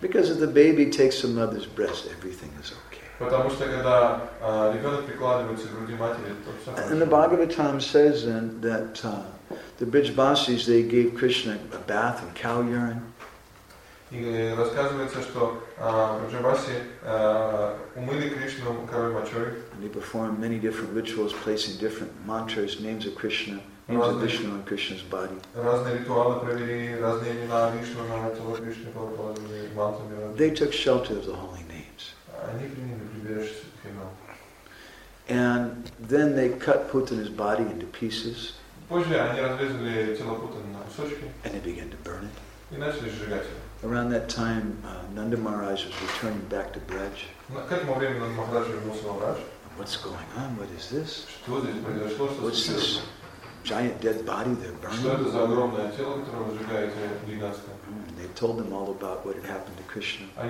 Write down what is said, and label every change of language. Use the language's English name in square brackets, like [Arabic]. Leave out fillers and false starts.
[English] Because if the baby takes the mother's breast, everything is okay. And the Bhagavatam says then that the Brijbasis, they gave Krishna a bath of cow urine. [Russian] И рассказывается, что Брижбаси умыли Кришну коровьей мочой. [English] And they performed many different rituals, placing different mantras, names of Krishna, names of Vishnu on Krishna's body. [Russian] Разные ритуалы провели, разные имена Вишну на тело Кришны положили, мантрами разными. [English] They took shelter of the holy names. [Russian] Они приняли прибежище к именам. [English] And then they cut Putana's body into pieces. [Russian] Позже они разрезали тело Путаны на кусочки. [English] And they began to burn it. [Russian] И начали сжигать его. [English] Around that time, Nanda Maharaj was returning back to Braj. What's going on? What is this? What's this giant dead body they're burning? They told them all about what had happened to Krishna.